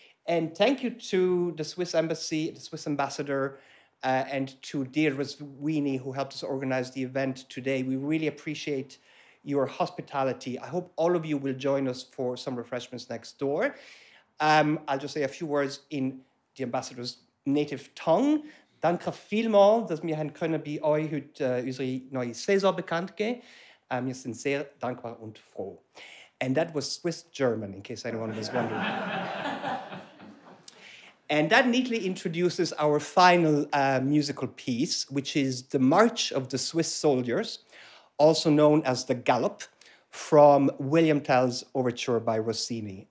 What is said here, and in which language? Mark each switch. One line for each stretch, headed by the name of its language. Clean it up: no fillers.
English: And thank you to the Swiss Embassy, the Swiss Ambassador, and to Deirdre Sweeney, who helped us organize the event today. We really appreciate your hospitality. I hope all of you will join us for some refreshments next door. I'll just say a few words in the ambassador's native tongue.
German: Danke vielmals, dass wir haben können bei euch heute unsere neue Saison bekannt geben. Wir sind sehr dankbar und froh.
English: And that was Swiss German, in case anyone was wondering. And that neatly introduces our final musical piece, which is The March of the Swiss Soldiers, also known as The Gallop, from William Tell's overture by Rossini.